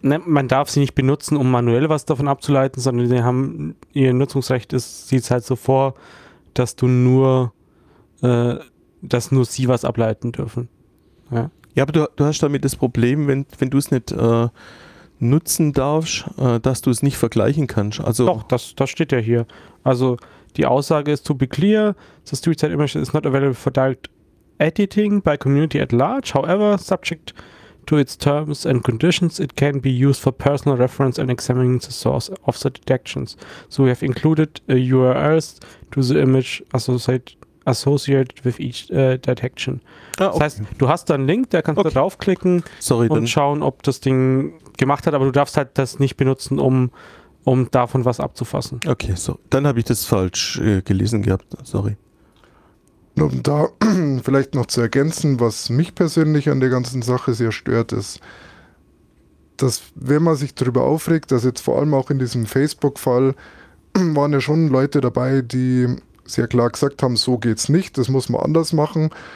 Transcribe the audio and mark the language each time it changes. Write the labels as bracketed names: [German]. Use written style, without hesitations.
[German] Nee, man darf sie nicht benutzen, um manuell was davon abzuleiten, sondern sie haben ihr Nutzungsrecht sieht es halt so vor, dass du nur, dass nur sie was ableiten dürfen. Ja, ja, aber du hast damit das Problem, wenn du es nicht nutzen darfst, dass du es nicht vergleichen kannst. Also doch, das steht ja hier. Also die Aussage ist, [English] to be clear, the street side image is not available for direct editing by community at large. However, subject to its terms and conditions, it can be used for personal reference and examining the source of the detections. So we have included URLs to the image associated with each detection. [German] Ah, okay. Das heißt, du hast da einen Link, da kannst du draufklicken und schauen, ob das Ding gemacht hat, aber du darfst halt das nicht benutzen, um davon was abzufassen. Okay, so. Dann habe ich das falsch gelesen gehabt, sorry. Um da vielleicht noch zu ergänzen, was mich persönlich an der ganzen Sache sehr stört, ist, dass wenn man sich darüber aufregt, dass jetzt vor allem auch in diesem Facebook-Fall waren ja schon Leute dabei, die sehr klar gesagt haben, so geht's nicht, das muss man anders machen.